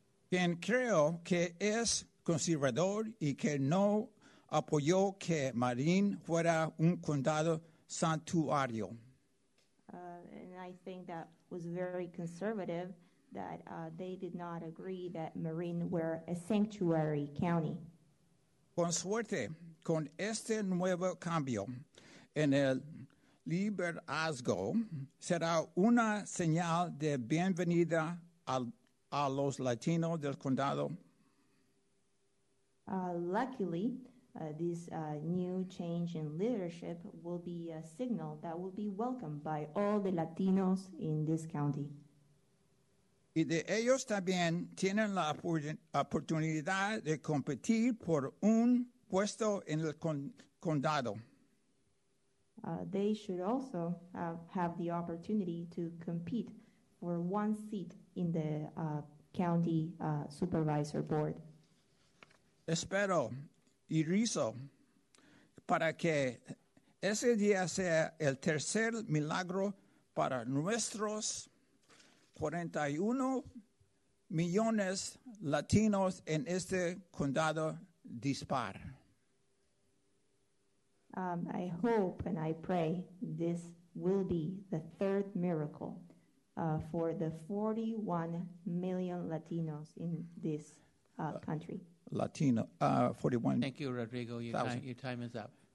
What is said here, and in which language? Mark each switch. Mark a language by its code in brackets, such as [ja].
[es] Quien creo que es conservador y que no apoyó que Marin fuera un condado santuario. [en] And I think that was very conservative that they did not agree that Marin were a sanctuary county. [es] Con suerte, con este nuevo cambio en el liderazgo será una señal de bienvenida a los latinos del condado. [en] Luckily, this new change in leadership will be a signal that will be welcomed by all the Latinos in this county. [es] Y de ellos también tienen la oportunidad de competir por un puesto en el condado. [en] They should also have the opportunity to compete for one seat in the county supervisor board. [es] Espero y rezo para que ese día sea el tercer milagro para nuestros 41 millones latinos en este condado dispar. [en] I hope and I pray this will be the third miracle for the 41 million Latinos in this country. Latino, 41. Thank you, Rodrigo. Your time is up.